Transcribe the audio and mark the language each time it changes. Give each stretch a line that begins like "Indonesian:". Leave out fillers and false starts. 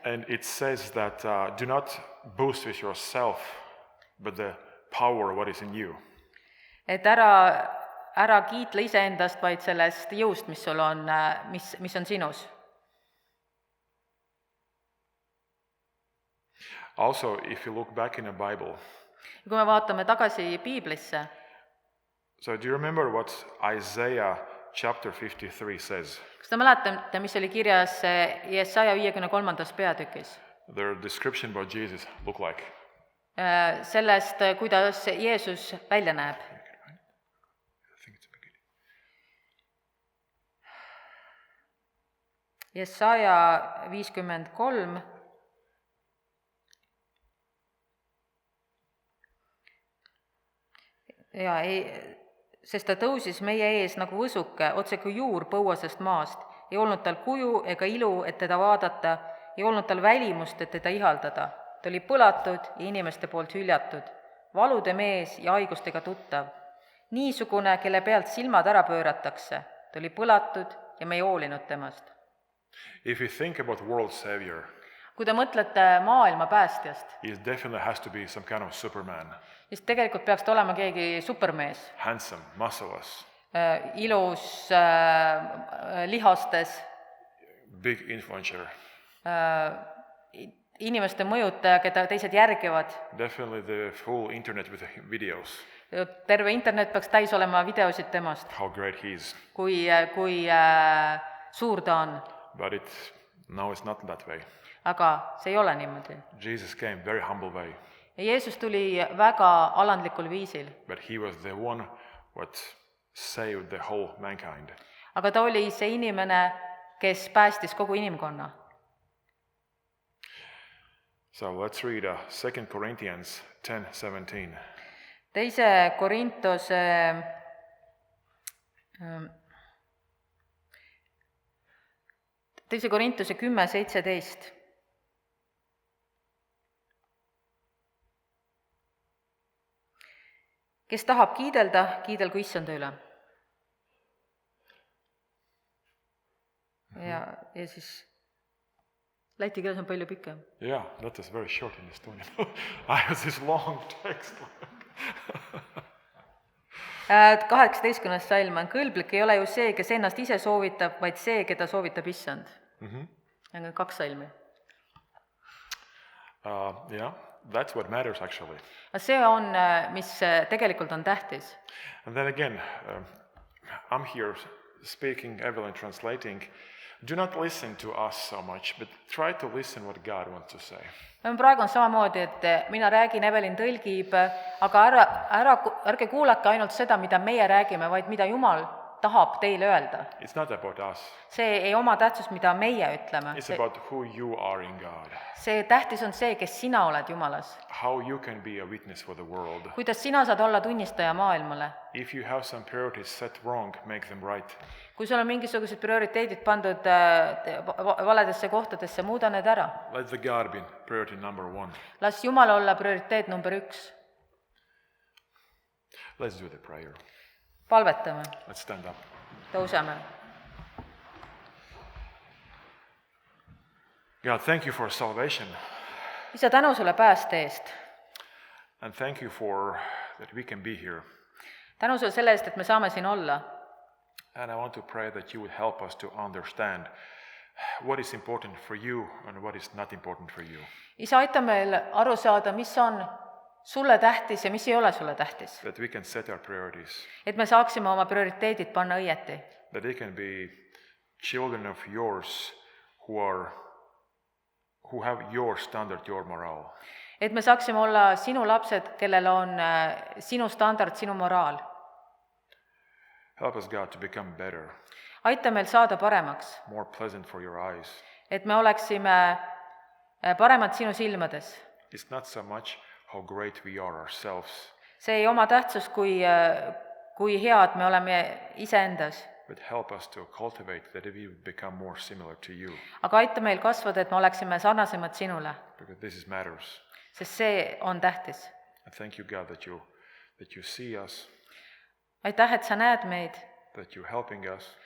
English: And it says that do not boast with yourself, but the power what is in you.
Estonian: Et ära kiitle ise endast, vaid sellest jõust, mis sul on, mis on sinus.
English: Also, if you look back in the Bible.
Estonian: Kui me vaatame tagasi Piiblisse.
English: So do you remember what Isaiah chapter 53 says?
Estonian: Kas te mäletate, mis oli kirjas Jesaja 53. Peatükis?
English: The description about Jesus look like.
Estonian: Sellest, kuidas Jeesus välja näeb. Jesaja 53, ja ei, sest ta tõusis meie ees nagu võsuke, otse kui juur põuasest maast. Ei olnud tal kuju ega ilu, et teda vaadata, ei olnud tal välimust, et teda ihaldada. Ta oli põlatud ja inimeste poolt hüljatud, valude mees ja haigustega tuttav. Niisugune, kelle pealt silmad ära pööratakse, ta oli põlatud ja me ei hoolinud temast.
English: If you think about world savior.
Estonian: Kui te mõtlete maailma päästjast.
English: It definitely has to be some kind of Superman.
Estonian: Siis tegelikult peaks olema keegi supermees.
English: Handsome, muscles.
Estonian: Ilus, lihastes.
English: Big influencer.
Estonian: Inimeste mõjutaja, keda teised järgivad.
English: Definitely the full internet with videos.
Estonian: Terve internet peaks täis olema videosid temast.
English: How great he is.
Estonian: Kui suur ta on.
English: But it now is not that way.
Estonian: Aga see ei ole niimoodi.
English: Jesus came very humble way.
Estonian: Ja Jeesus tuli väga alandlikul viisil.
English: But he was the one what saved the whole mankind.
Estonian: Aga ta oli see inimene, kes päästis kogu inimkonna.
English: So let's read 2 Corinthians 10:17.
Estonian: Teise Korintuse 2 Korintuse 10:17. Kes tahab kiidelda, kiidelgu issanda üle. Ja siis läti keeles on palju pikem.
English: Yeah, that is very short in Estonian. I have this long text.
Estonian: 18. salm on kõlblik ei ole ju see, kes ennast ise soovitab, vaid see, keda soovitab issand. Mhm. Aga kaks salmi.
English: That's what matters actually.
Estonian: See on mis tegelikult on tähtis.
English: And then again, I'm here speaking, Evelyn translating. Do not listen to us so much, but try to listen what God wants to say.
Estonian: Ma praegu on samamoodi, et mina räägin, Evelyn tõlgib, aga ärge kuulake ainult seda, mida meie räägime, vaid mida Jumal tahab teile öelda.
English: It's not about us.
Estonian: See ei oma tähtsust, mida meie ütleme.
English: It's about who you are in God.
Estonian: See tähtis on see, kes sina oled Jumalas.
English: How you can be a witness for the world.
Estonian: Kuidas sina saad olla tunnistaja maailmale.
English: If you have some priorities set wrong, make them right.
Estonian: Kui sul on mingisugused prioriteedid pandud valedesse kohtadesse, muuda need ära.
English: Let the God be priority number one.
Estonian: Las Jumal olla prioriteet number üks.
English: Let's do the prayer.
Estonian: Palvetame.
English: Let's stand up.
Estonian: Tõuseme.
English: God, thank you for salvation.
Estonian: Isa, tänu sulle pääste eest.
English: And thank you for that we can be here.
Estonian: Tänu sulle selle eest, et me saame siin olla.
English: And I want to pray that you would help us to understand what is important for you and what is not important for you.
Estonian: Isa, aita meil aru saada, mis on sulle tähtis ja mis ei ole sulle tähtis.
English: That we can set our priorities.
Estonian: Et me saaksime oma prioriteedid panna õieti.
English: That they can be children of yours who have your standard, your moral.
Estonian: Et me saaksime olla sinu lapsed, kellel on sinu standard, sinu moraal.
English: Help us God to become better.
Estonian: Aita meil saada paremaks.
English: More pleasant for your eyes.
Estonian: Et me oleksime paremad sinu silmades.
English: It's not so much how great we are ourselves.
Estonian: See ei oma tähtsus, kui head me oleme ise endas.
English: But help us to cultivate that we become more similar to you.
Estonian: Aga aita meil kasvada, et me oleksime sarnasemad sinule.
English: Because this is matters.
Estonian: Sest see on tähtis.
English: And thank you God that you see us.
Estonian: Aitäh, et sa näed meid.
English: That you're helping us.